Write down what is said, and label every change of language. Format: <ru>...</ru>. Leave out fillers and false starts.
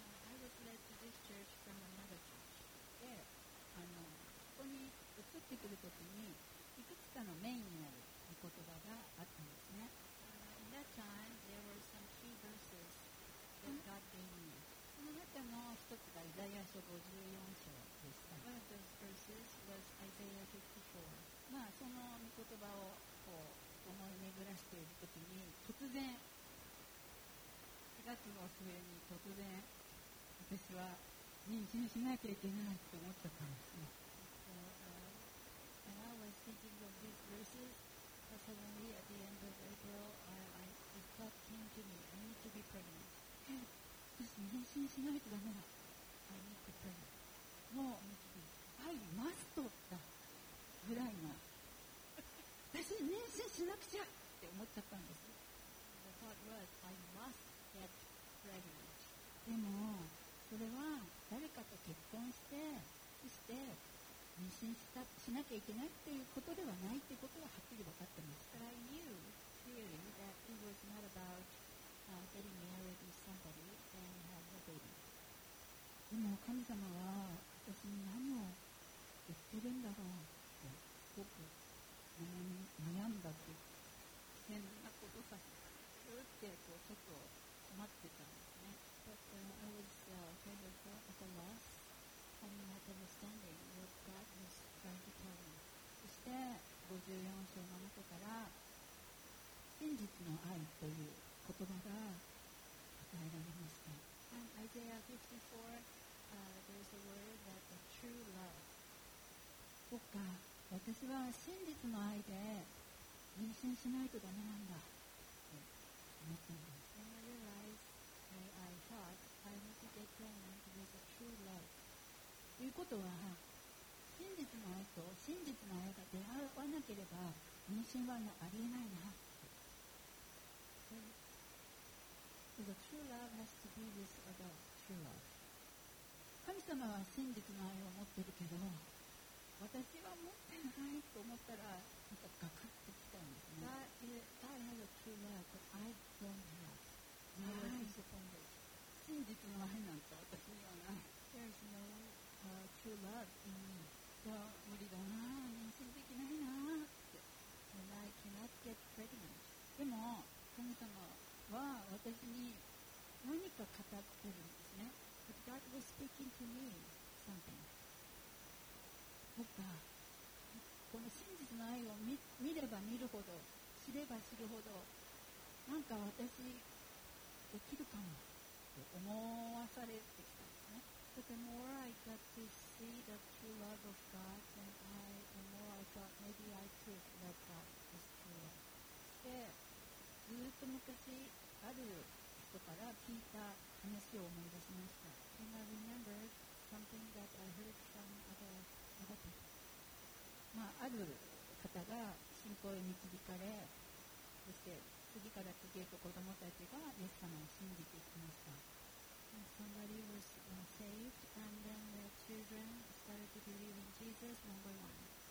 <en>I was led to this church from another church.</en> <ja>で、ここに移ってくるときにいくつかのメインになる言葉があったんですね。</ja> <en>In that time, there were some key verses that God gave me.</en> <ja>その中の一つがイザヤ書54章でした。</ja> <en>One of those verses was Isaiah 54.</en> <ja>まあ、その言葉をこう思い巡らしているときに突然4月の末に突然私は妊娠しなきゃいけないと思ったからですね。</ja> <en>So, and I was thinking of these verses, but suddenly at the end of April, the thought came to me, I need to be pregnant.</en> <ja>私妊娠しないとダメだ。</ja> <en>I need to be pregnant.</en> <ja>もう、</ja> <en>I must</en> <ja>だぐらいな私妊娠しなくちゃって思っちゃったんです。</ja> <en>The thought was, I must get pregnant.</en> <ja>でもそれは誰かと結婚してそして妊娠 しなきゃいけないっていうことではないっていうことははっきり分かってます。</ja> <en>But I knew clearly that it was not about getting married with somebody and having a baby.</en> <ja>でも神様は私に何を言ってるんだろうってすごく悩んだって変なことさせてうってこうちょっと困ってたんですね。</ja> <en>But I was kind of at a loss and not understanding what God was trying to tell me.</en> <ja>そして54章の中から真実の愛という言葉が与えられました。</ja> <en>And Isaiah 54 there's a word that the true love。</en> <ja>そっか、私は真実の愛で妊娠しないとダメなんだって思ったんです。</ja> <en>I need to get pregnant with a true love.</en> <ja>ということは真実の愛と真実の愛が出会わなければ妊娠はありえないな。</ja> <en>The true love has to be this about true love.</en> <ja>神様は真実の愛を持ってるけど私は持ってないと思ったらなんかガクッてきたんですね。</ja> <en>God has a true love, but I don't have. I was disappointed.</en> <ja>真実の愛なんて私にはない。</ja> <en>There is no true love in me.</en> <ja>じゃあ無理だな、妊娠できないなって。</ja> <en>And I cannot get pregnant.</en> <ja>でも神様は私に何か語ってるんですね。</ja> <en>But God was speaking to me something.</en> <ja>僕がこの真実の愛を 見れば見るほど知れば知るほどなんか私できるかも思わされてきたんですね。</ja> <en>But the more I got to see the true love of God, the more I thought maybe I could love God as true love.</en> <ja>で、ずっと昔ある人から聞いた話を思い出しました。</ja> <en>And I remembered something that I heard from other people.</en> <ja>まあ、ある方が信仰へ導かれ、そして次から次へと子供たちがイエス様を信じていきました。</ja> <en>Somebody was saved and then their children started to believe in Jesus, number one.</en>